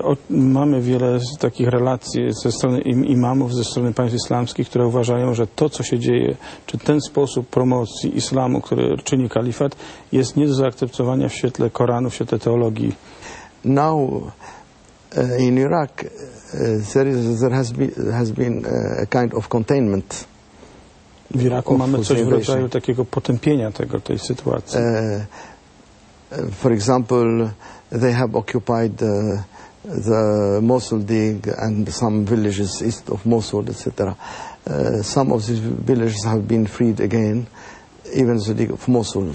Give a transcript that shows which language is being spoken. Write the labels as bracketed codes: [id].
[pl] Mamy wiele takich relacji ze strony imamów, ze strony państw islamskich, które uważają, że to, co się dzieje, czy ten sposób promocji islamu, który czyni kalifat, jest nie do zaakceptowania w świetle Koranu, w świetle teologii. [en] Now in Iraq there has been a kind of containment. [pl] W Iraku mamy coś w rodzaju takiego potępienia tej sytuacji. [en] For example, they have occupied the Mosul dig and some villages east of Mosul, etc. Some of these villages have been freed again, even the dig of Mosul.